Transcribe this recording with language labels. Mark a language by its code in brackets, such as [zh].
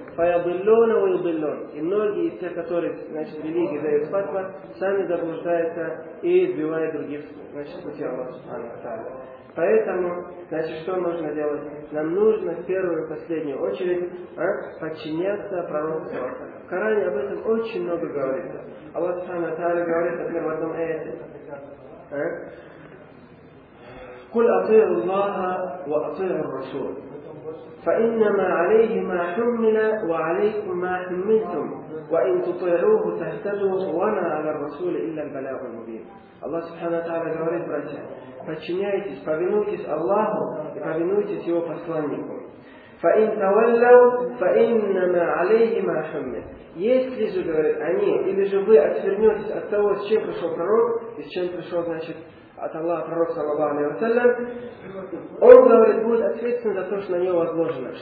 [ru] Фаябыллона уилбыллон. И многие из тех, которые, значит, религии дают фатва, сами заблуждаются и сбивают других, значит, пути Аллаха Субхана ва Тааля. Поэтому, значит, что нужно делать? Нам нужно в первую и последнюю очередь подчиняться пророку Саллаллаху алейхи ва саллям. В Коране об этом очень много говорится. Аллах Субхана ва Тааля говорит, например, в одном аяте. [ar] قل أطيعوا الله وأطيعوا الرسول فإنما عليه ما حمل وعليكم ما حملتم وإن تطيعوه تهتدوا وما على الرسول إلا البلاغ المبين. الله سبحانه وتعالى [ru] говорит братья, подчиняйтесь, повинуйтесь Аллаху и повинуйтесь Его посланнику. [ar] فإن تولوا فإنما عليه ما حمل. [ru] Если же, говорит, они, или же вы отвернетесь от того, с чем пришел пророк, и с чем пришел, значит, от Аллаха пророк, саллаллаху алейхи ва саллям, он, говорит, будет ответственен за то, что на него возложено.